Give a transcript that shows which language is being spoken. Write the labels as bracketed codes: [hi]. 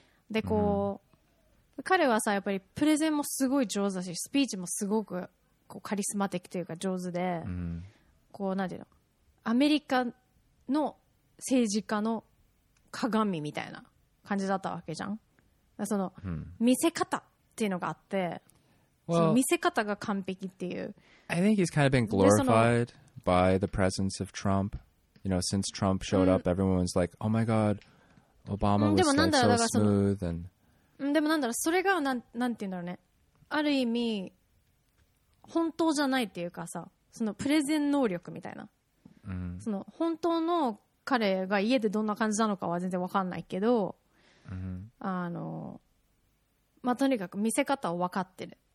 [ja] でこう彼はさやっぱりプレゼンもすごい上手だしスピーチもすごくこうカリスマ的というか上手でこうなんていうのアメリカの政治家の鏡みたいな感じだったわけじゃんだその見せ方っていうのがあって [en] Well, [ja] 見せ方が完璧っていう。 [en] I think he's kind of been glorified by the presence of Trump. You know, since Trump showed up, everyone was like, oh my god, Obama was like so smooth. [ja] でもなんだろう、それがなんていうんだろうね。ある意味、本当じゃないっていうかさ、そのプレゼン能力みたいな。その本当の彼が家でどんな感じなのかは全然わかんないけど、あの、まあ、とにかく見せ方をわかってる。